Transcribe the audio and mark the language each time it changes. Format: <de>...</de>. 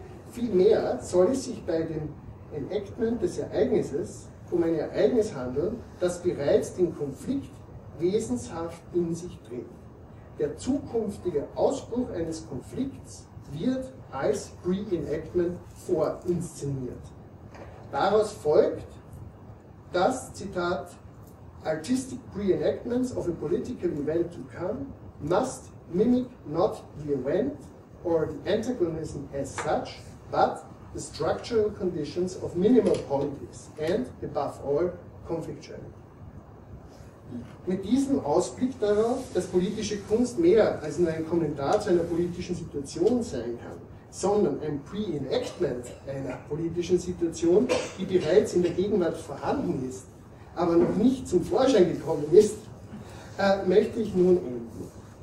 <de>Vielmehr soll es sich bei dem Enactment des Ereignisses um ein Ereignis handeln, das bereits den Konflikt wesenshaft in sich trägt. Der zukünftige Ausbruch eines Konflikts wird als Pre-Enactment vorinszeniert. Daraus folgt, dass, Zitat,</de> <en>Artistic Pre-Enactments of a political event to come must mimic not the event or the antagonism as such, but the structural conditions of minimal politics and, above all, conflictuality.</en> <de>Mit diesem Ausblick darauf, dass politische Kunst mehr als nur ein Kommentar zu einer politischen Situation sein kann, sondern ein Pre-Enactment einer politischen Situation, die bereits in der Gegenwart vorhanden ist, aber noch nicht zum Vorschein gekommen ist, möchte ich nun enden.</de>